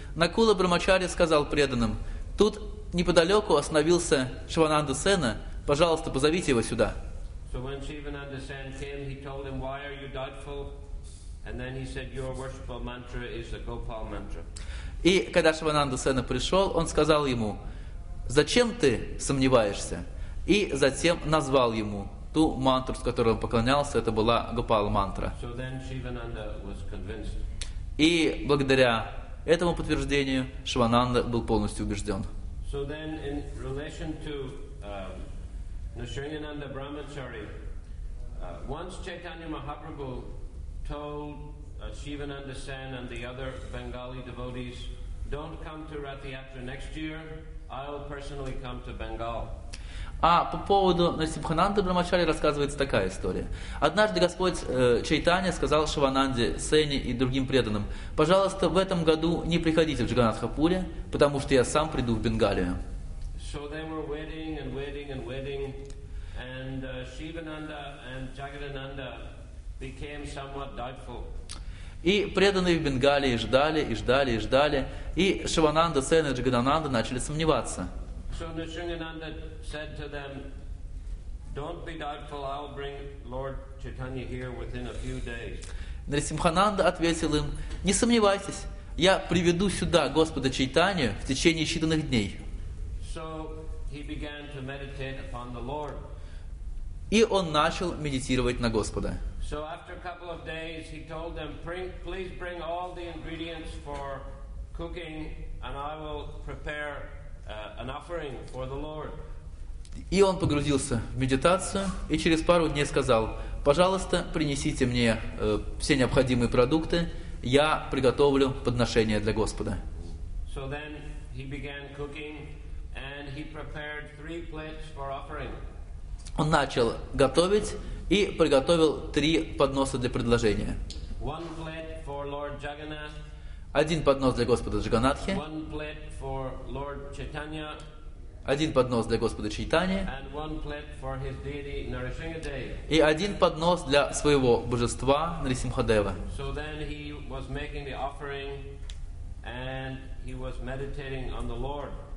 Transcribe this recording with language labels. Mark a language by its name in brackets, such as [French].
[Russian] Накула Брахмачари сказал преданным: тут неподалеку остановился Шивананда Сена, пожалуйста, позовите его сюда. [English] So when Shivananda Sen came, he told him, why are you doubtful? And then he said, your worshipful mantra is the Gopal mantra. [Russian] И когда Шивананда Сена пришел, он сказал ему, зачем ты сомневаешься? И затем назвал ему ту мантру, с которой он поклонялся, это была Гопал мантра. [English] So then Shivananda was convinced. [Russian] И благодаря этому подтверждению Шивананда был полностью убежден. [English] So then in relation to Nisringananda Brahmachari, once Chaitanya Mahaprabhu told Shivananda Sen and the other Bengali devotees, don't come to Rathiyatra next year, I'll personally come to Bengal. [Russian] А по поводу Нарсимхананды Брахмачари рассказывается такая история. Однажды Господь Чайтанья сказал Шивананде, Сене и другим преданным, пожалуйста, в этом году не приходите в Джаганатхапуре, потому что я сам приду в Бенгалию. [English] So they were waiting and waiting and waiting, and Shivananda and Jagadananda became somewhat doubtful. [Russian] И преданные в Бенгалии ждали и ждали и ждали, и Шивананда Сен и Джагадананда начали сомневаться. [English] So Nisringananda said to them, "Don't be doubtful. I'll bring Lord Chaitanya here within a few days." [Russian] Нарсимхананда ответил им: "Не сомневайтесь, я приведу сюда Господа Чайтанью в течение считанных дней." [English] So he began to meditate upon the Lord. [Russian] И он начал медитировать на Господа. [English] So after a couple of days, he told them, "Please bring all the ingredients for cooking, and I will prepare an offering for the Lord." [Russian] И он погрузился в медитацию и через пару дней сказал: "Пожалуйста, принесите мне все необходимые продукты, я приготовлю подношение для Господа." [English] So then he began cooking. And he prepared 3 plates for offering. [Russian] Он начал готовить и приготовил 3 подноса для предложения. [English] 1 plate for Lord Jagannath. [Russian] 1 поднос для Господа Джаганатхи. [English] 1 plate for Lord Chaitanya. [Russian] 1 поднос для Господа Чайтаньи. [English] And 1 plate for his deity Нарасимхадева. [Russian] И 1 поднос для своего божества Нарасимхадева. [English] So then he was making the offering, and he was meditating on the Lord.